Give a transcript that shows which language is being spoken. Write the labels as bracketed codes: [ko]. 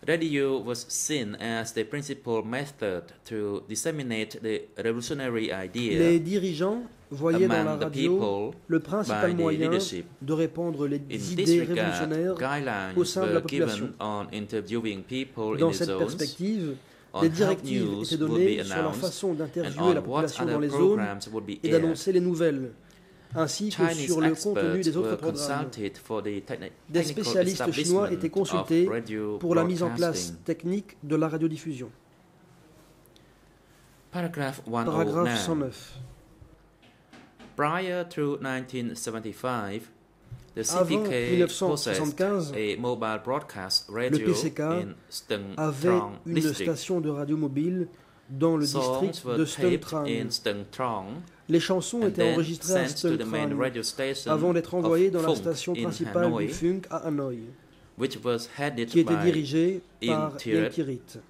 [en] Radio was seen as the principal method to disseminate the revolutionary idea. [fr] Les dirigeants voyaient dans la radio le principal moyen de répandre les idées révolutionnaires au sein de la population. Dans cette perspective, des directives étaient données sur la façon d'interviewer la population dans les zones et d'annoncer les nouvelles, ainsi que sur le contenu des autres programmes. Des spécialistes chinois étaient consultés pour la mise en place technique de la radiodiffusion. Paragraphe 109. [en] Prior to 1975, the CPK possessed a mobile broadcast radio [fr] avait une station de radio mobile dans le district de Stengtrang. Les chansons étaient enregistrées à Stengtrang avant d'être envoyées dans la station principale du Funk à Hanoi, [en] which was headed [fr] qui était dirigée par Yen Kirit.